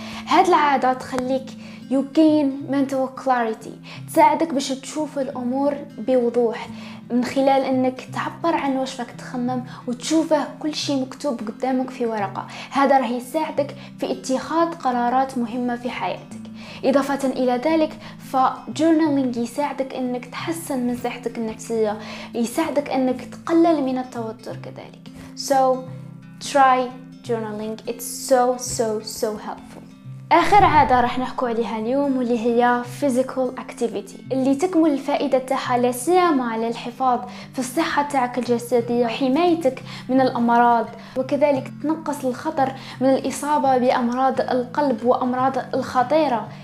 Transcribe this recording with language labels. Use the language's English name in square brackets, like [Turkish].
[Arabic] هذه العادة تخليك [English] you gain mental clarity، [Arabic] تساعدك باش تشوف الأمور بوضوح من خلال أنك تعبر عن وشفك، تخمم وتشوفه كل شيء مكتوب قدامك في ورقة. هذا راح يساعدك في اتخاذ قرارات مهمة في حياتك. إضافة إلى ذلك، فجورنالينج يساعدك أنك تحسن من صحتك النفسية، يساعدك أنك تقلل من التوتر كذلك. [English] So try journaling, it's so so so helpful. [Arabic] آخر عادة راح نحكو عليها اليوم واللي هي [English] physical activity، [Arabic] اللي تكمل الفائدة تاعها لا سيما على الحفاظ في الصحة تاعك الجسدية وحمايتك من الأمراض، وكذلك تنقص الخطر من الإصابة بأمراض القلب وأمراض الخطيرة.